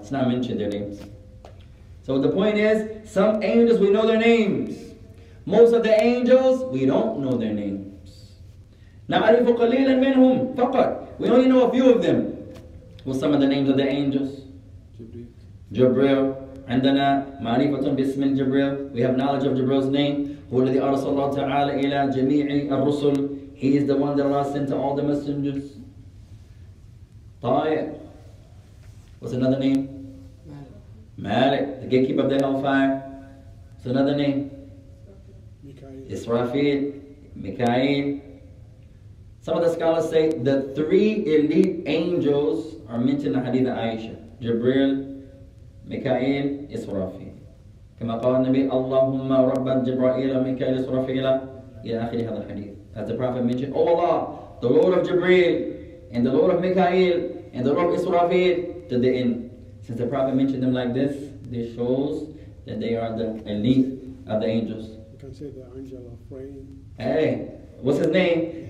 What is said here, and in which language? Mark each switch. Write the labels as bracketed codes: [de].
[en] It's not mentioned their names. So the point is, some angels, we know their names. Most of the angels, we don't know their names. [ar] Na'arifu qaleelan minhum faqat. [en] We only know a few of them. What's some of the names of the angels? Jibril. [ar] عندنا معرفة باسم الجبريل. [en] We have knowledge of Jibril's name. [ar] هو الذي أرسل الله تعالى إلى جميع الرسل. [en] He is the one that Allah sent to all the messengers. Ta'ayat. What's another name? Malik. The gatekeeper of the hellfire. What's another name? Mikael. Israfil. Mikael. Some of the scholars say the three elite angels are mentioned in the hadith of Aisha. Jibril, Mikael, Israfil. [ar] كما قال النبي اللهم رب جبرائيل ومكائيل إسرافيل إلى آخر هذا الحديث. [en] As the Prophet mentioned, O Allah, the Lord of Jibreel, and the Lord of Mikael, and the Lord of Israfil, to the end. Since the Prophet mentioned them like this, this shows that they are the elite of the angels. You can say the angel of rain. Hey, what's his name?